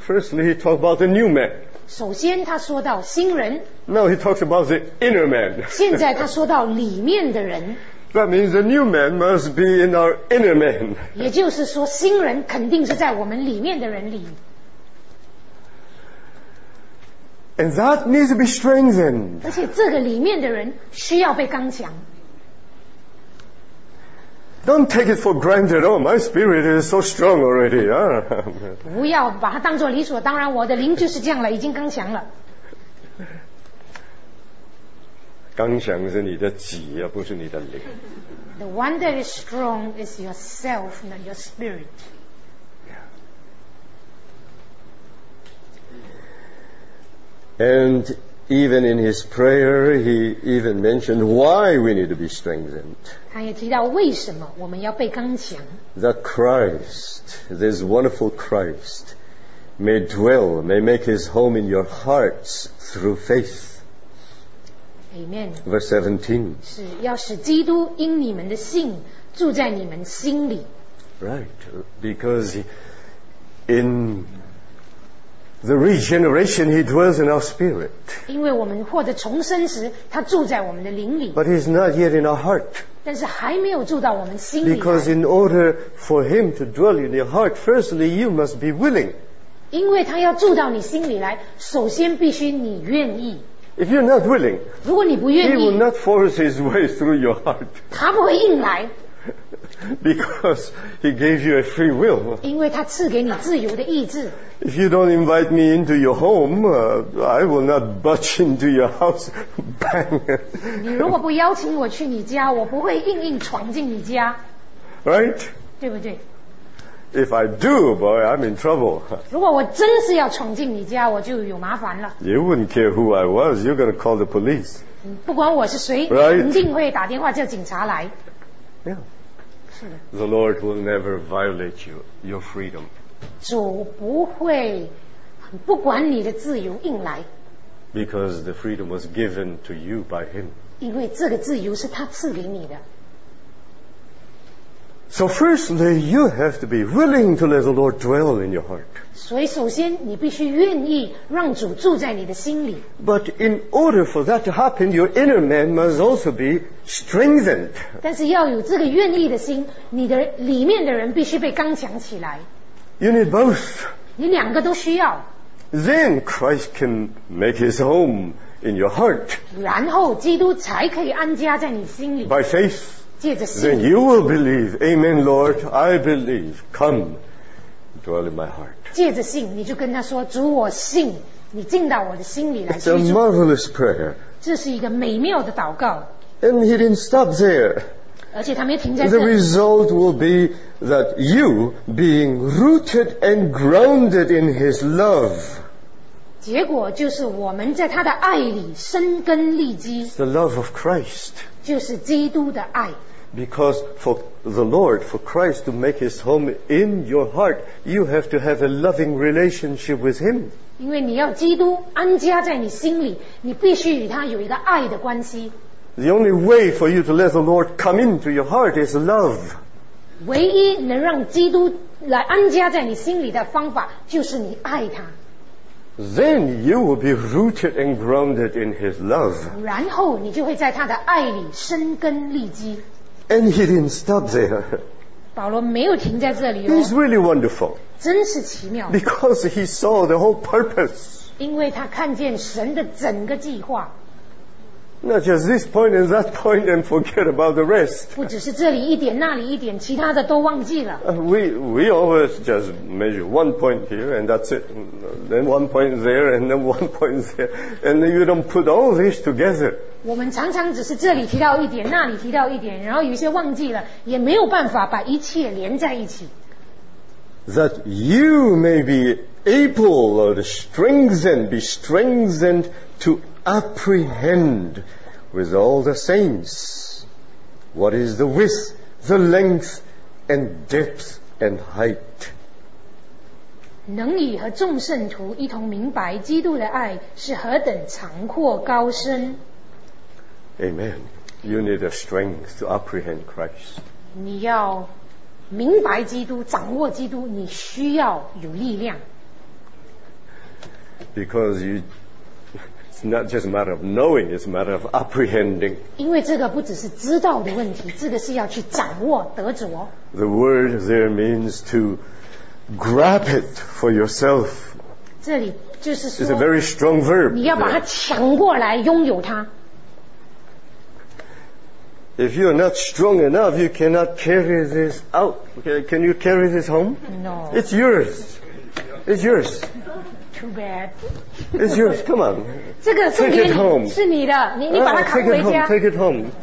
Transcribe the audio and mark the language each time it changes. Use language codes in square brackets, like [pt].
[en] Firstly, he talked about the new man. [zh] 首先他说到新人。 [en] Now he talks about the inner man. [zh] 现在他说到里面的人。 [en] That means the new man must be in our inner man. [zh] 也就是说，新人肯定是在我们里面的人里。 [en] And that needs to be strengthened. [zh] 而且这个里面的人需要被刚强。 [en] Don't take it for granted. Oh, my spirit is so strong already. [zh] 不要把它当作理所当然。我的灵就是这样了，已经刚强了。刚强是你的己，而不是你的灵。 [en] The one that is strong is yourself, not your spirit. And even in his prayer, he even mentioned why we need to be strengthened. [zh] 他也提到为什么我们要被刚强。 [en] That Christ, this wonderful Christ, may dwell, may make his home in your hearts through faith. Amen. Verse 17. [zh] 是要使基督因你们的信住在你们心里。 [en] Right, because in the regeneration, he dwells in our spirit. [zh] 因为我们获得重生时，他住在我们的灵里。 [en] But he is not yet in our heart. [zh] 但是还没有住到我们心里。 [en] Because in order for him to dwell in your heart, firstly, you must be willing. [zh] 因为他要住到你心里来，首先必须你愿意。 [en] If you're not willing, [zh] 如果你不愿意， [en] he will not force his way through your heart. [zh] 他不会硬来。 [en] Because he gave you a free will. [zh] 因为他赐给你自由的意志。 [en] If you don't invite me into your home, I will not butch into your house, bang. [zh] 你如果不邀请我去你家，我不会硬硬闯进你家。 [en] Right? [zh] 对不对？ [en] If I do, boy, I'm in trouble. [zh] 如果我真是要闯进你家，我就有麻烦了。 [en] You wouldn't care who I was. You're going to call the police. [zh] 不管我是谁， [en] right? [zh] 你一定会打电话叫警察来。 [en] Yeah. The Lord will never violate you, your freedom. [zh] 主不会不管你的自由硬来。 [en] Because the freedom was given to you by him. [zh] 因为这个自由是他赐给你的。 [en] So firstly, you have to be willing to let the Lord dwell in your heart. [zh] 所以首先你必须愿意让主住在你的心里。 [en] But in order for that to happen, your inner man must also be strengthened. [zh] 但是要有这个愿意的心，你的里面的人必须被刚强起来。 [en] You need both. [zh] 你两个都需要。 [en] Then Christ can make his home in your heart. [zh] 然后基督才可以安家在你心里。 [en] By faith. Then you will believe. Amen, Lord. I believe. Come, dwell in my heart. [zh] 借着信，你就跟他说：“主，我信，你进到我的心里来。” [en] It's a marvelous prayer. [zh] 这是一个美妙的祷告。 [en] And he didn't stop there. [zh] 而且他没停在这里。 [en] The result will be that you being rooted and grounded in His love. [zh] 结果就是我们在他的爱里生根立基。 [en] It's the love of Christ. [zh] 就是基督的爱。 [en] Because for the Lord, for Christ to make His home in your heart, you have to have a loving relationship with Him. [zh] 因为你要基督安家在你心里，你必须与他有一个爱的关系。 [en] The only way for you to let the Lord come into your heart is love. [zh] 唯一能让基督来安家在你心里的方法就是你爱他。 [en] Then you will be rooted and grounded in His love. [zh] 然后你就会在他的爱里生根立基。 [en] And he didn't stop there. [zh] 保罗没有停在这里哦。 [en] He's really wonderful. [zh] 真是奇妙。 [en] Because he saw the whole purpose. [zh] 因为他看见神的整个计划。 [en] Not just this point and that point and forget about the rest. [zh] 不只是这里一点那里一点，其他的都忘记了。 [en] We always just measure one point here and that's it. Then one point there and then one point there. And then you don't put all this together. [zh] 我们常常只是这里提到一点，那里提到一点，然后有些忘记了，也没有办法把一切连在一起。 [en] That you may be able or strengthened, be strengthened to apprehend with all the saints what is the width, the length, and depth, and height. [zh] 能以和众圣徒一同明白基督的爱是何等长阔高深。 [en] Amen. You need a strength to apprehend Christ. [zh] 你要明白基督，掌握基督，你需要有力量。 [en] Because you, it's not just a matter of knowing, it's a matter of apprehending. [zh] 因为这个不只是知道的问题，这个是要去掌握得着。 [en] The word there means to grab it for yourself. [zh] 这里就是说， [en] it's a very strong verb. [zh] 你要把它抢过来，拥有它。 [en] If you're not strong enough, you cannot carry this out. Can you carry this home? No. It's yours. It's yours. Too bad. It's yours. Come on. [zh] 这个是你 [en] take it home. [zh] 是你的，你把它扛回家。 [en] Take it home. Take it home.